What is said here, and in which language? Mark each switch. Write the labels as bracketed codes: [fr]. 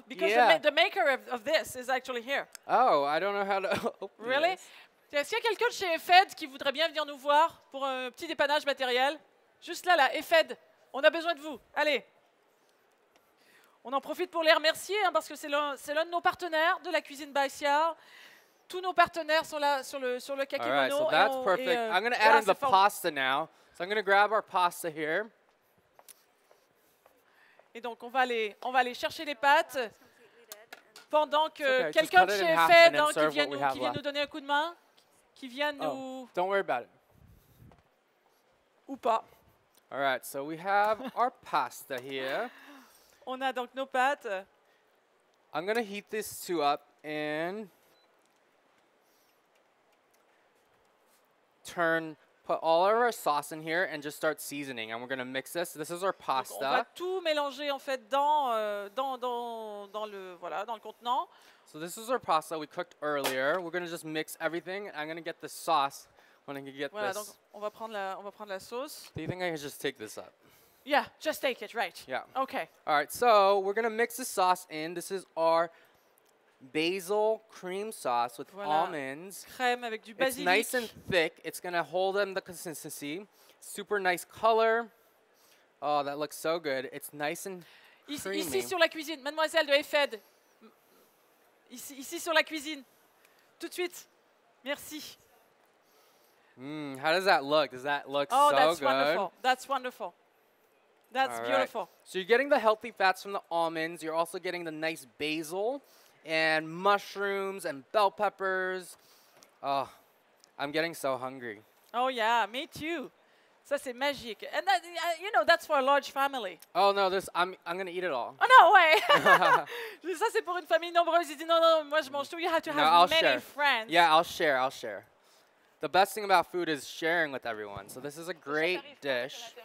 [en] Because the maker of this is actually here. Oh, I don't know how to open Really? This. [fr] Est-ce qu'il y a quelqu'un chez Hefed qui voudrait bien venir nous voir pour un petit dépannage matériel? Juste là, Hefed, on a besoin de vous. Allez. On en profite pour les remercier hein, parce que c'est l'un de nos partenaires de la cuisine by SIAL. Tous nos partenaires sont là sur le kakemono. [en] All right, so that's perfect. I'm going to add in the pasta now. So I'm going to grab our pasta here. [fr] Et donc, on va aller chercher les pâtes pendant que quelqu'un de chez Hefed qui vient nous donner un coup de main, qui vient nous... [en] Oh, don't worry about it. [fr] Ou pas. [en] All right, so we have our pasta here. [fr] On a donc nos pâtes. [en] I'm going to heat this two up and put all of our sauce in here and just start seasoning. And we're going to mix this. This is our pasta. [fr] On va tout mélanger en fait dans le contenant. [en] So this is our pasta we cooked earlier. We're going to just mix everything. I'm going to get the sauce when I can get [fr] voilà, [en] this. [fr] Donc on va prendre la sauce. [en] Do you think I can just take this up? Yeah, just take it, right. Yeah. Okay. All right, so we're going to mix the sauce in. This is our basil cream sauce with almonds. [fr] Crème avec du basilic. [en] It's nice and thick. It's going to hold in the consistency. Super nice color. Oh, that looks so good. It's nice and creamy. [fr] Ici sur la cuisine, mademoiselle de Hefed. Ici sur la cuisine. Tout de suite. Merci. [en] Mm, how does that look? Does that look so good? Oh, that's wonderful. That's all beautiful. Right. So you're getting the healthy fats from the almonds. You're also getting the nice basil and mushrooms and bell peppers. Oh, I'm getting so hungry. Oh, yeah, me too. [fr] Ça, c'est magique. [en] And, that, you know, that's for a large family. Oh, no, I'm going to eat it all. Oh, no way. [fr] Ça, c'est pour une famille nombreuse. Il dit, non, moi, je mange tout. [en] You have to have friends. Yeah, I'll share. The best thing about food is sharing with everyone. So this is a great dish.